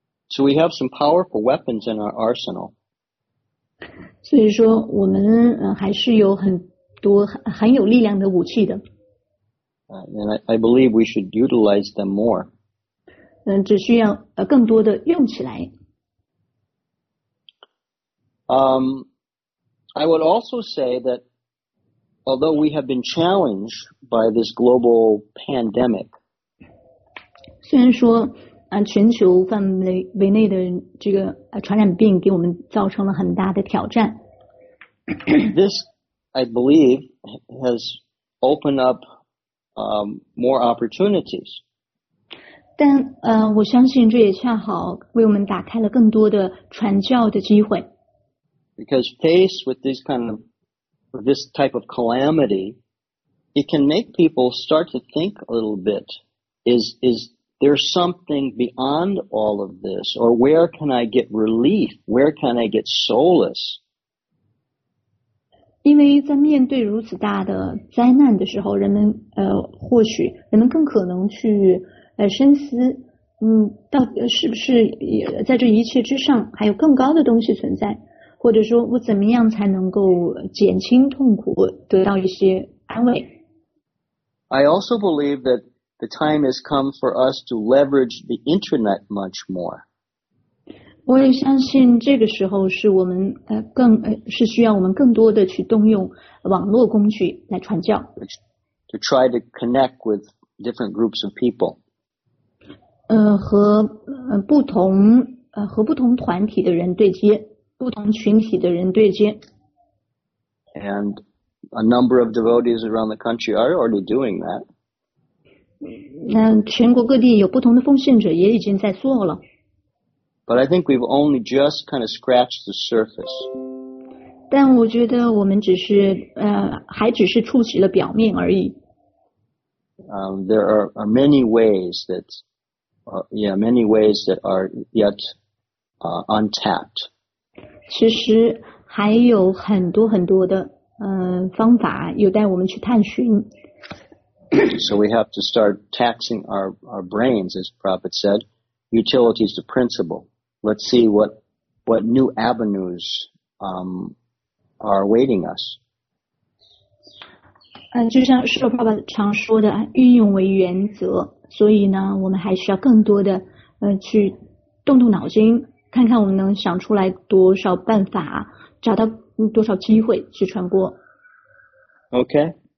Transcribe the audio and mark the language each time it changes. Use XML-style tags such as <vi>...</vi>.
<en>So we have some powerful weapons in our arsenal.</en> <zh>所以说我们还是有很多很有力量的武器的。</zh> <en>And I believe we should utilize them more.</en> <zh>只需要更多的用起来。</zh> <en>I would also say that although we have been challenged by this global pandemic,</en> <zh>虽然说全球范围内的这个传染病给我们造成了很大的挑战。</zh> <en>This, I believe, has opened up more opportunities.</en> <zh>但我相信这也恰好为我们打开了更多的传教的机会。</zh> <en>Because faced with this type of calamity, it can make people start to think a little bit. Is there something beyond all of this? Or where can I get relief? Where can I get solace?</en> <zh>因为在面对如此大的灾难的时候，人们或许人们更可能去深思，到底是不是在这一切之上还有更高的东西存在，或者说我怎么样才能够减轻痛苦，得到一些安慰。</zh> <en>I also believe that the time has come for us to leverage the internet much more.</en> <zh>我也相信这个时候是我们是需要我们更多的去动用网络工具来传教。</zh> <en>To try to connect with different groups of people.</en> <zh>和不同团体的人对接，不同群体的人对接。</zh> <en>And a number of devotees around the country are already doing that.</en> <zh>全国各地有不同的奉献者也已经在做了。</zh> <en>But I think we've only just kind of scratched the surface.</en> <zh>但我觉得我们只是还只是触及了表面而已。</zh> <en>There are many ways that, many ways that are yet untapped.</en> <zh>其实还有很多很多的方法有待我们去探寻。</zh> <en>So we have to start taxing our brains, as Prabhupada said. Utility is the principle. Let's see what new avenues are awaiting us.</en> <zh>就像释迦牟尼常说的，运用为原则。所以呢，我们还需要更多的去动动脑筋，看看我们能想出来多少办法，找到多少机会去传播。</zh> <en>Okay.</en>